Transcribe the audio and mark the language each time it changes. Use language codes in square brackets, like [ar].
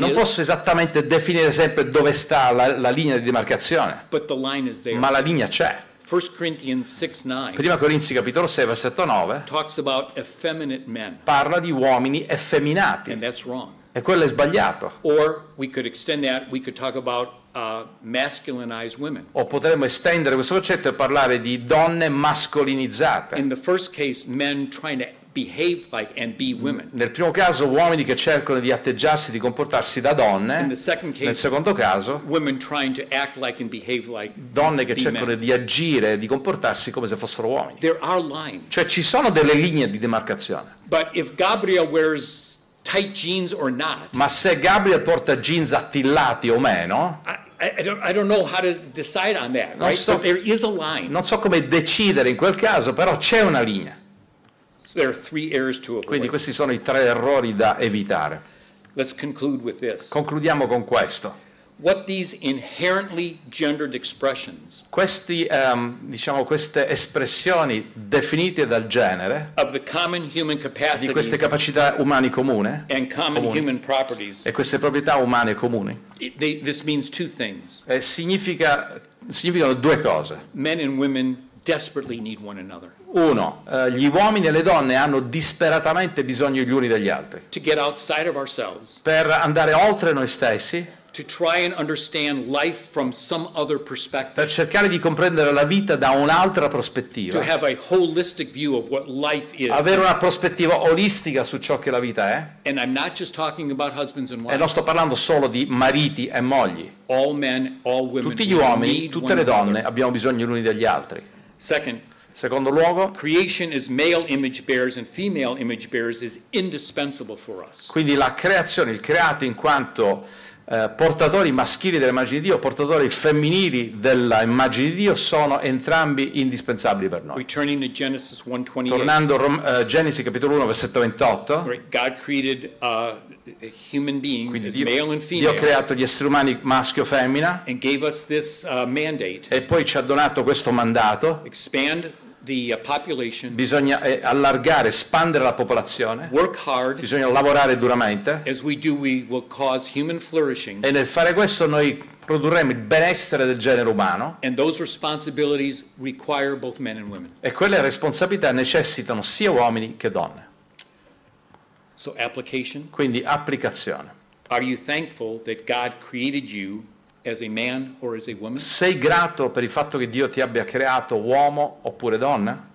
[it] non [en] is. [it] Non posso esattamente definire sempre dove sta la linea di demarcazione. [en] But the line is there. [it] Ma la linea c'è. [en] 1 Corinthians 6:9. [it] Prima Corinzi capitolo 6 versetto 9. [en] Talks about effeminate men. [it] Parla di uomini effeminati. [en] And that's wrong. [it] E quello è sbagliato. [en] Or we could extend that. We could talk about masculinized women. [it] O potremmo estendere questo concetto e parlare di donne mascolinizzate. [en] In the first case, men trying to behave like and be women. [it] Nel primo caso uomini che cercano di atteggiarsi di comportarsi da donne. [en] In the second case, [it] nel secondo caso [en] women trying to act like and behave like [it] donne che cercano [en] men. [it] Di agire di comportarsi come se fossero uomini. [en] There are lines. [it] Cioè ci sono delle linee di demarcazione. [en] But if Gabriel wears tight jeans or not. [it] Ma se Gabriel porta jeans attillati o meno? [en] I don't know how to decide on that, right? So there is a line. [it] Non so come decidere in quel caso, però c'è una linea. [en] There are three errors to avoid. [it] Quindi questi sono i tre errori da evitare. [en] Let's conclude with this. [it] Concludiamo con questo. [en] What these inherently gendered expressions? [it] Questi diciamo queste espressioni definite dal genere. [en] Of the common human capacities. [it] Di queste capacità umane comune. [en] And common [it] comuni, [en] human properties. [it] E queste proprietà umane comuni. [en] This means two things. [it] E significano due cose. [en] Men and women desperately need one another. [it] Uno, gli uomini e le donne hanno disperatamente bisogno gli uni degli altri. [en] To get outside of ourselves. [it] Per andare oltre noi stessi. [en] To try and understand life from some other perspective. [it] Per cercare di comprendere la vita da un'altra prospettiva. [en] To have a holistic view of what life is. [it] Avere una prospettiva olistica su ciò che la vita è. [en] And I'm not just talking about husbands and wives. [it] E non sto parlando solo di mariti e mogli. [en] All men, all women. [it] Tutti gli uomini, tutte le donne, abbiamo bisogno l'uni degli altri. [en] Second. [it] Secondo luogo, [en] creation is male image bearers and female image bearers is indispensable for us. [it] Quindi la creazione, il creato in quanto portatori maschili dell'immagine di Dio, portatori femminili dell'immagine di Dio sono entrambi indispensabili per noi. [en] Returning to Genesis 1:28. [it] Tornando a Genesi capitolo 1 versetto 28. [en] God created human beings, [it] quindi [en] as male and female. [it] Dio ha creato gli esseri umani maschio e femmina. [en] And gave us this mandate. [it] E poi ci ha donato questo mandato. [en] Expand the population. [it] Bisogna allargare, espandere la popolazione. [en] Work hard. [it] Bisogna lavorare duramente. [en] As we do, we will cause human flourishing. [it] E nel fare questo noi produrremo il benessere del genere umano. [en] And those responsibilities require both men and women. [it] E quelle responsabilità necessitano sia uomini che donne. [en] So application. [it] Quindi applicazione. [en] Are you thankful that God created you as a man or as a woman? [it] Sei grato per il fatto che Dio ti abbia creato uomo oppure donna?